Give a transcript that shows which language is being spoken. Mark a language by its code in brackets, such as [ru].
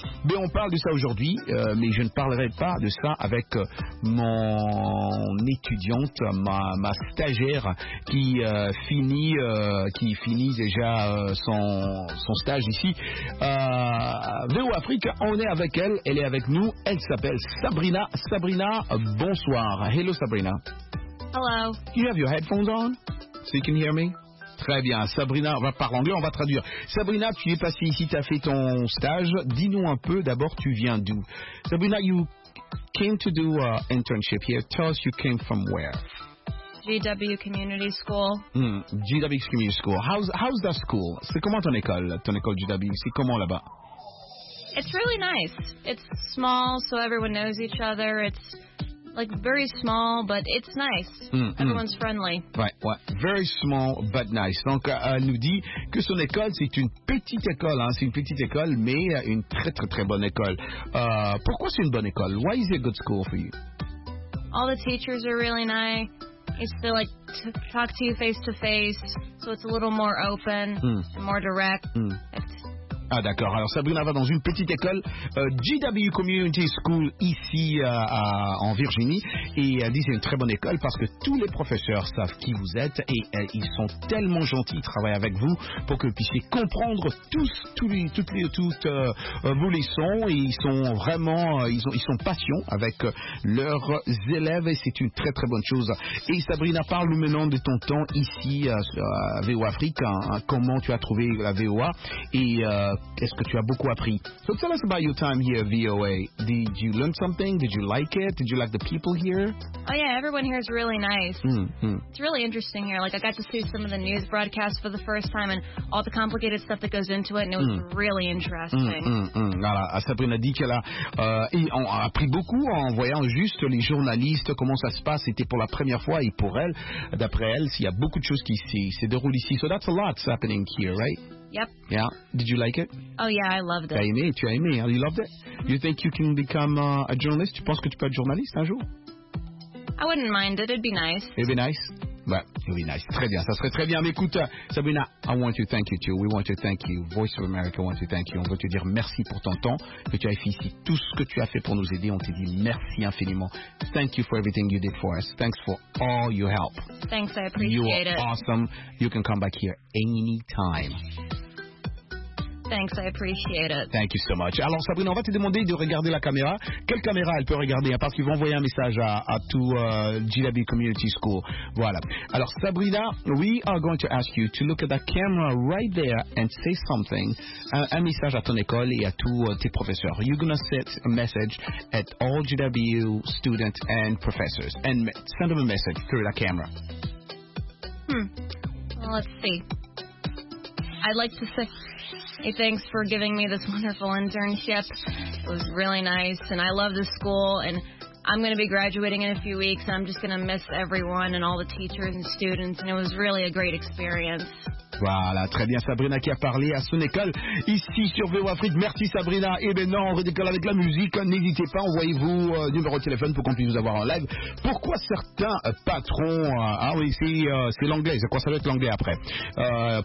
[fr] Mais on parle de ça aujourd'hui, mais je ne parlerai pas de ça avec mon étudiante, ma stagiaire qui finit déjà son stage ici. VO Afrique, on est avec elle, elle est avec nous, elle s'appelle Sabrina. Sabrina, bonsoir. Hello, Sabrina. [en] Hello. You have your headphones on, so you can hear me? [fr] Très bien. Sabrina, on va parler anglais, on va traduire. Sabrina, tu es passée ici, tu as fait ton stage. Dis-nous un peu, d'abord, tu viens d'où? [en] Sabrina, you came to do an internship here. Tell us you came from where? GW Community School. [fr] GW Community School. How's that school? C'est comment ton école GW? C'est comment là-bas? [en] It's really nice. It's small, so everyone knows each other. It's like very small, but it's nice. Everyone's friendly. Right, what? Ouais. Very small, but nice. [fr] Donc, elle nous dit que son école, c'est une petite école. Hein. C'est une petite école, mais une très, très, très bonne école. Pourquoi c'est une bonne école? Why is it a good school for you? All the teachers are really nice. It's to like to talk to you face to face, so it's a little more open, more direct. Ah d'accord, alors Sabrina va dans une petite école, GW Community School, ici en Virginie, et elle dit c'est une très bonne école parce que tous les professeurs savent qui vous êtes et ils sont tellement gentils, ils travaillent avec vous pour que vous puissiez comprendre toutes vos leçons, et ils sont vraiment, ils sont patients avec leurs élèves et c'est une très très bonne chose. Et Sabrina, parle-nous maintenant de ton temps ici à VO Afrique, hein, comment tu as trouvé la VOA et... est-ce que tu as beaucoup appris? [en] So tell us about your time here at VOA. Did you learn something? Did you like it? Did you like the people here? Oh yeah, everyone here is really nice. It's really interesting here. Like I got to see some of the news broadcasts for the first time and all the complicated stuff that goes into it, and it was really interesting. [fr] Voilà, Sabrina dit qu'elle a appris beaucoup en voyant juste les journalistes, comment ça se passe. C'était pour la première fois, et pour elle, d'après elle, il y a beaucoup de choses qui se déroulent ici. [en] So that's a lot happening here, right? Yep. Yeah. Did you like it? Oh yeah, I loved it. [fr] Tu as aimé. You loved it. You think you can become a journalist? Tu penses que tu peux être journaliste un jour? [en] I wouldn't mind it. It'd be nice. It'd be nice. Ouais, it'd be nice. Très bien. Ça serait très bien. Mais écoute, Sabrina, I want to thank you too. We want to thank you. Voice of America wants to thank you. [fr] On veut te dire merci pour ton temps que tu as fait ici, tout ce que tu as fait pour nous aider. On te dit merci infiniment. [en] Thank you for everything you did for us. Thanks for all your help. Thanks, I appreciate it. You are awesome. You can come back here anytime. Thanks, I appreciate it. [fr] Thank you so much. Alors Sabrina, on va te demander de regarder la caméra. Quelle caméra elle peut regarder? Parce qu'ils vont envoyer un message à tout GW Community School. Voilà. [en] Alors Sabrina, we are going to ask you to look at that camera right there and say something. [fr] Un message à ton école et à tous tes professeurs. [en] You're going to send a message at all GW students and professors. And send them a message through the camera. Well, let's see. I'd like to say... Hey, thanks for giving me this wonderful internship. It was really nice, and I love the school, and I'm going to be graduating in a few weeks, and I'm just going to miss everyone and all the teachers and students, and it was really a great experience. [fr] Voilà, très bien, Sabrina qui a parlé à son école ici sur VO Afrique. Merci Sabrina. Et maintenant, on redécolle avec la musique. N'hésitez pas, envoyez-vous numéro de téléphone pour qu'on puisse vous avoir en live. Pourquoi certains patrons... c'est l'anglais, c'est quoi, ça doit être l'anglais après.